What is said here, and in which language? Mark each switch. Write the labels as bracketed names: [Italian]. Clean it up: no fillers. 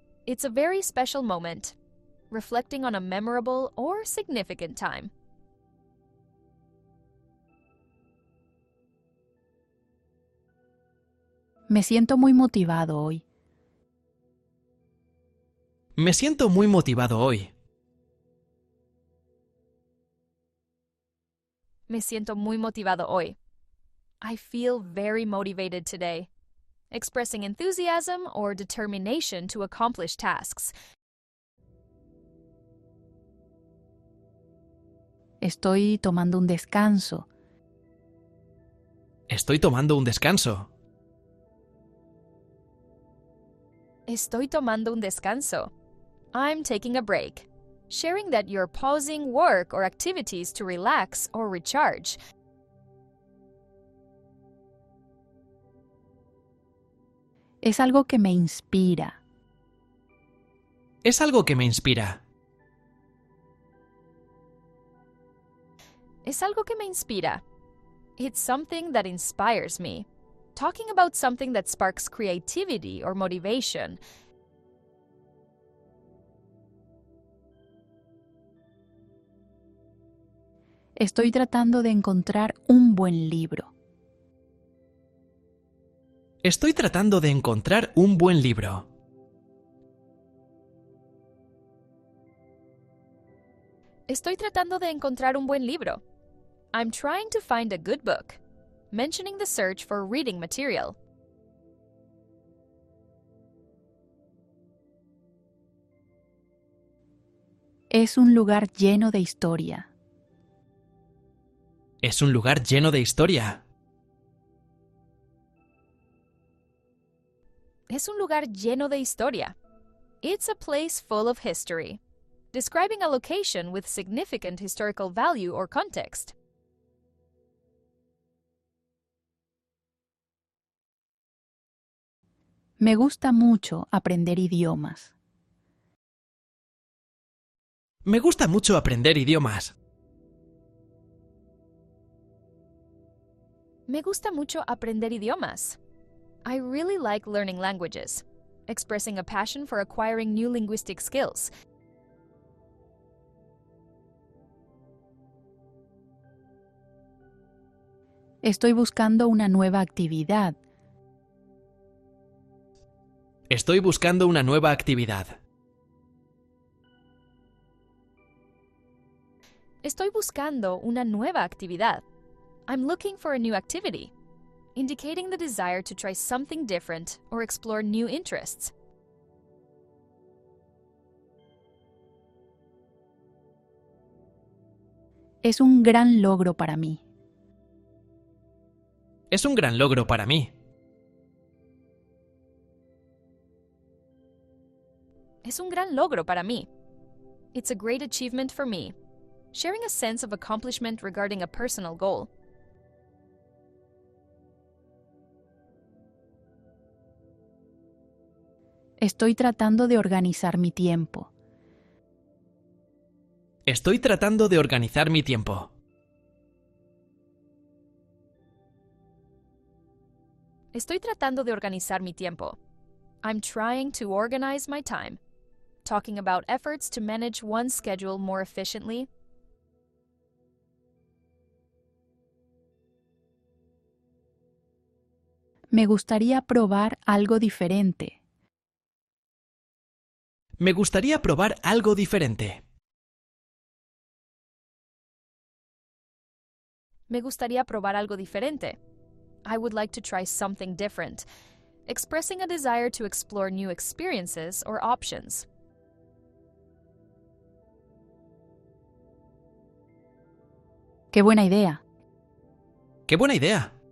[English] It's a very special moment. Reflecting on a memorable or significant time. [Spanish] Me siento muy motivado hoy. Me siento muy motivado hoy. Me siento muy motivado hoy. [English] I feel very motivated today. Expressing enthusiasm or determination to accomplish tasks. [Spanish] Estoy tomando un descanso. Estoy tomando un descanso. Estoy tomando un descanso. [English] I'm taking a break. Sharing that you're pausing work or activities to relax or recharge. [Spanish] Es algo que me inspira. Es algo que me inspira. Es algo que me inspira. [English] It's something that inspires me. Talking about something that sparks creativity or motivation. [Spanish] Estoy tratando de encontrar un buen libro. Estoy tratando de encontrar un buen libro. Estoy tratando de encontrar un buen libro. [English] I'm trying to find a good book. Mentioning the search for reading material. [Spanish] Es un lugar lleno de historia. Es un lugar lleno de historia. Es un lugar lleno de historia. [English] It's a place full of history. Describing a location with significant historical value or context. [Spanish] Me gusta mucho aprender idiomas. Me gusta mucho aprender idiomas. Me gusta mucho aprender idiomas. [English] I really like learning languages. Expressing a passion for acquiring new linguistic skills. [Spanish] Estoy buscando una nueva actividad. Estoy buscando una nueva actividad. Estoy buscando una nueva actividad. [English] I'm looking for a new activity, indicating the desire to try something different or explore new interests. [Spanish] Es un gran logro para mí. Es un gran logro para mí. Es un gran logro para mí. [English] It's a great achievement for me. Sharing a sense of accomplishment regarding a personal goal. [Spanish] Estoy tratando de organizar mi tiempo. Estoy tratando de organizar mi tiempo. Estoy tratando de organizar mi tiempo. [English] I'm trying to organize my time. Talking about efforts to manage one's schedule more efficiently. [Spanish] Me gustaría probar algo diferente. Me gustaría probar algo diferente. Me gustaría probar algo diferente. [English] I would like to try something different. Expressing a desire to explore new experiences or options. [Spanish] ¡Qué buena idea! ¡Qué buena idea!